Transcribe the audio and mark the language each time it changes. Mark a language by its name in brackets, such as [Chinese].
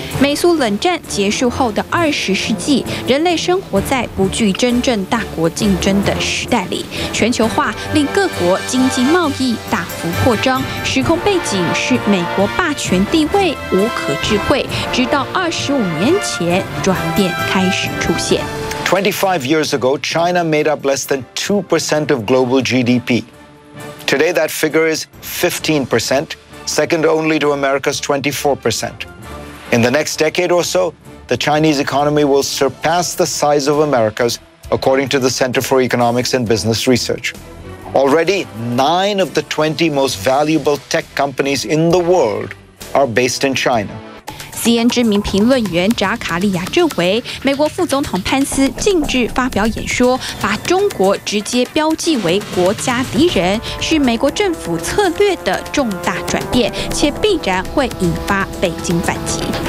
[Chinese] 美苏冷战结束后的20世纪，人类生活在不具真正大国竞争的时代里，全球化令各国经济贸易大幅扩张，时空背景是美国霸权地位无可置喙，直到25年前转变开始出现。 [English] 25 years ago, China made up less than 2% of global GDP. Today, that figure is 15%, second only to America's 24%. In the next decade or so, the Chinese economy will surpass the size of America's, according to the Center for Economics and Business Research. Already, 9 of the 20 most valuable tech companies in the world are based in China. [Chinese] CNN 知名评论员扎卡利亚认为，美国副总统潘斯近日发表演说，把中国直接标记为国家敌人，是美国政府策略的重大转变，且必然会引发北京反击。